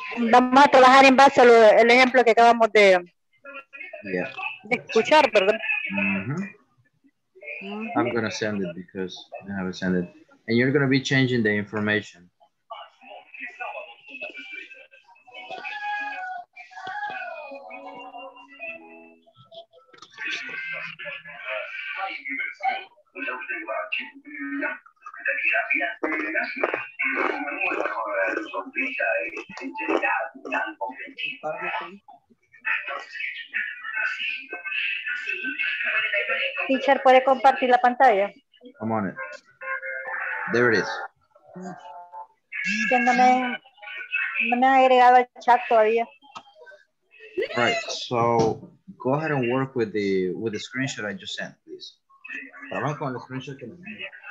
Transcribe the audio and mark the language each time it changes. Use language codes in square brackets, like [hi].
[es] Vamos a trabajar en base al el ejemplo que acabamos de, [en] yeah, [es] de escuchar, ¿verdad? Mm-hmm. [en] I'm gonna send it because I have to send it. And you're gonna be changing the information. [es] Teacher, ¿puede compartir la pantalla? [en] I'm on it. There it is. [es] Que no me ha agregado el chat todavía. [en] All right, so go ahead and work with the screenshot I just sent, please. [es] Trabajo con el screenshot que me envió.